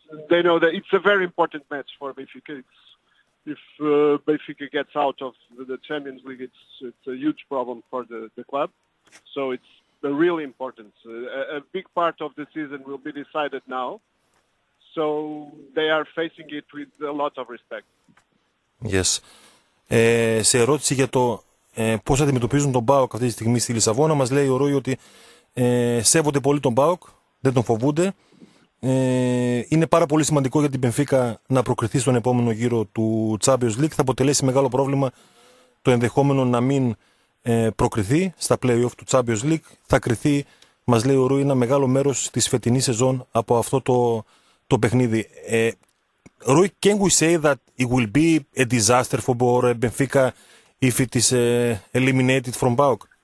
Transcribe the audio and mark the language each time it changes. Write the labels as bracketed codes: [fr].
[en] They know that it's a very important match for Benfica. If Benfica gets out of the Champions League, it's a huge problem for the club. So it's the real importance. A big part of the season will be decided now. So they are facing it with a lot of respect. Yes. [el] Σε ερώτηση για το πώς αντιμετωπίζουν τον ΠΑΟΚ αυτή τη στιγμή στη Λισαβόνα, μας λέει ο Ρούι ότι σέβονται πολύ τον ΠΑΟΚ, δεν τον φοβούνται. Είναι πάρα πολύ σημαντικό για την Μπενφίκα να προκριθεί στον επόμενο γύρο του Champions League. Θα αποτελέσει μεγάλο πρόβλημα το ενδεχόμενο να μην προκριθεί στα play-off του Champions League. Θα κριθεί, μας λέει ο Ρούι, ένα μεγάλο μέρος της φετινής σεζόν από αυτό το παιχνίδι. [en] Ρούι, can we say that it will be a disaster for Benfica if it is eliminated from PAOK?